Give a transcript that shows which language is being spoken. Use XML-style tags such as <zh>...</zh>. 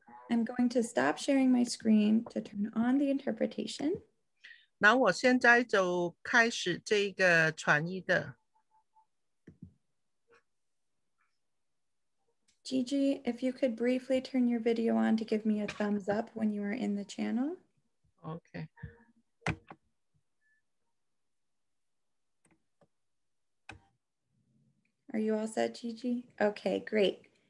<en>I'm going to stop sharing my screen to turn on the interpretation.</en> <zh>然后我现在就开始这个传译的。</zh> <en>Gigi, if you could briefly turn your video on to give me a thumbs up when you are in the channel. Okay. Are you all set, Gigi? Okay, great.</en>